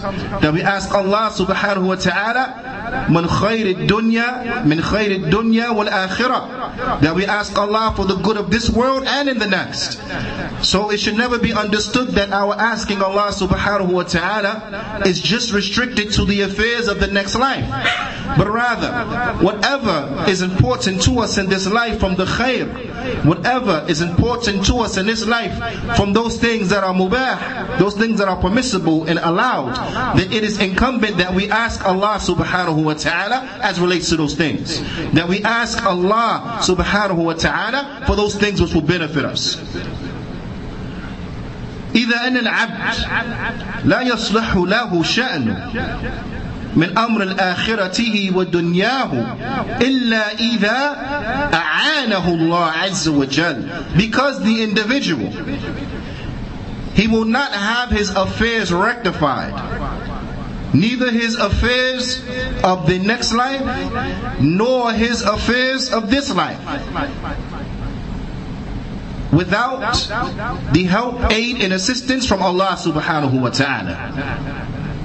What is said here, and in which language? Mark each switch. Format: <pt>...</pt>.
<en>That we ask Allah subhanahu wa ta'ala,</en> <ar>من خير الدنيا, من خير الدنيا والآخرة.</ar> <en>That we ask Allah for the good of this world and in the next. So it should never be understood that our asking Allah subhanahu wa ta'ala is just restricted to the affairs of the next life. But rather, whatever is important to us in this life from the khair, whatever is important to us in this life from those things that are mubah, those things that are permissible and allowed, then it is incumbent that we ask Allah subhanahu wa ta'ala as relates to those things. That we ask Allah subhanahu wa ta'ala for those things which will benefit us.</en> <ar>إذا أن العبد لا يصلح له شأن من أمر الآخرة ودنياه إلا إذا أعانه الله عز وجل.</ar> <en>Because the individual, he will not have his affairs rectified, neither his affairs of the next life, nor his affairs of this life, without the help, aid, and assistance from Allah subhanahu wa ta'ala.</en>